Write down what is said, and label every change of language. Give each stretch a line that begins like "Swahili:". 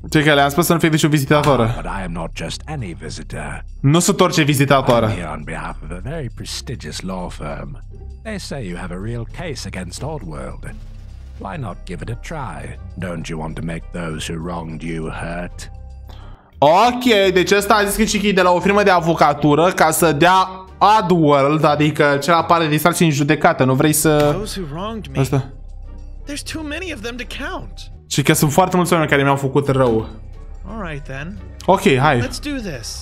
Romanian: Ce că le-am spus să nu fie niciun vizitator.
English: But I am not just any visitor.
Romanian: Nu sunt orice vizitator.
English: I'm here on behalf of a very prestigious law firm. They say you have a real case against Oddworld. Why not give it a try? Don't you want to make those who wronged you hurt?
Romanian: Ok, deci ăsta a zis că și de la o firmă de avocatură ca să dea Oddworld, adică cea apare din sarcină în judecată, nu vrei să... Asta.
English: There's too many of them to count.
Romanian: Și că sunt foarte mulți oameni care mi-au făcut rău.
English: All right, then. Ok, hai. Let's do this.